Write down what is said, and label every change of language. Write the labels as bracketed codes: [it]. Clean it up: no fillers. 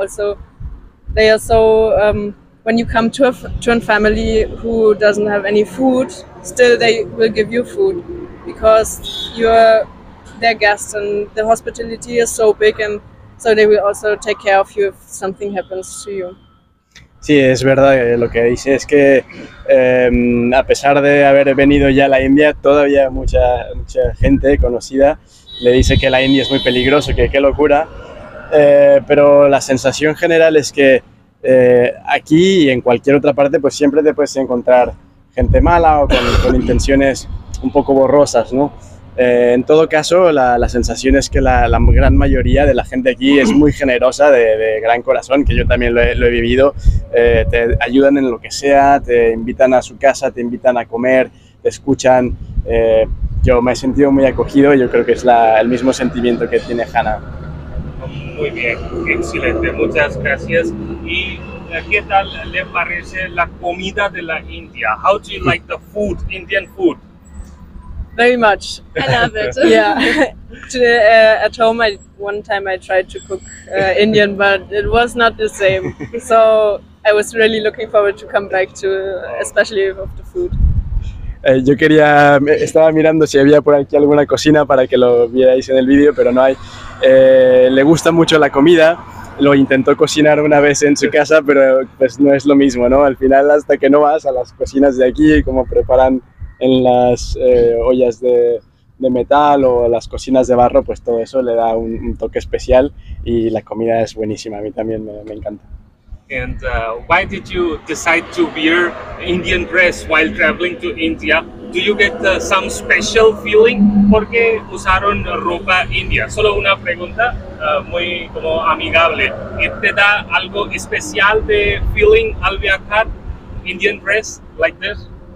[en] Also, they are so, when you come to a family who doesn't have any food, still they will give you food because you're their guest and the hospitality is so big, and so they will also take care of you if something happens to you. [es] Sí, es verdad, lo que dice es que a pesar de haber venido ya a la India, todavía mucha gente conocida le dice que la India es muy peligroso, que qué locura, pero la sensación general es que aquí y en cualquier otra parte, pues siempre te puedes encontrar gente mala o con intenciones un poco borrosas, ¿no? En todo caso, la sensación es que la gran mayoría de la gente aquí es muy generosa, de gran corazón, que yo también lo he vivido. Te ayudan en lo que sea, te invitan a su casa, te invitan a comer, te escuchan. Yo me he sentido muy acogido y yo creo que es el mismo sentimiento que tiene Hannah. Muy bien, excelente, muchas gracias. ¿Y qué tal le parece la comida de la India? [en] How do you like the food, Indian food? Very much. I love it. Yeah. At home, one time I tried to cook Indian, but it was not the same. So I was really looking forward to come back to, especially of the food. [es] Yo quería, estaba mirando si había por aquí alguna cocina para que lo vierais en el vídeo, pero no hay. Le gusta mucho la comida. Lo intentó cocinar una vez en su casa, pero pues no es lo mismo, ¿no? Al final, hasta que no vas a las cocinas de aquí, como preparan en las ollas de metal o las cocinas de barro, pues todo eso le da un toque especial y la comida es buenísima, a mí también me encanta. [en] And why did you decide to wear Indian dress while traveling to India? Do you get some special feeling? [es] ¿Por qué usaron ropa india? Solo una pregunta muy como amigable. ¿Te da algo especial de feeling al viajar [en] Indian dress like this?